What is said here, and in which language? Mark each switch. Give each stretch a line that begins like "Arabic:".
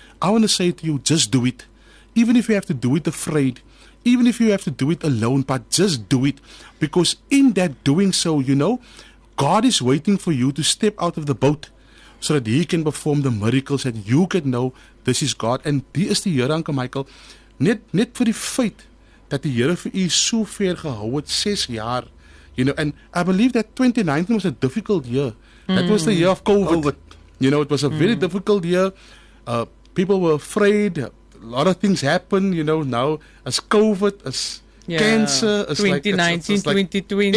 English: I want to say to you, just do it. Even if you have to do it afraid, even if you have to do it alone, but just do it. Because in that doing so, you know, God is waiting for you to step out of the boat so that He can perform the miracles and you can know this is God.
Afrikaans: And die is die Here, Uncle Michael, net vir die feit dat die Here vir u so ver gehou het 6 jaar.
English: You know, and I believe that 2019 was a difficult year. That was the year of COVID. You know, it was a very difficult year. People were afraid. A lot of things happened, you know, now as COVID, as cancer, as 2019, like, it's 2020.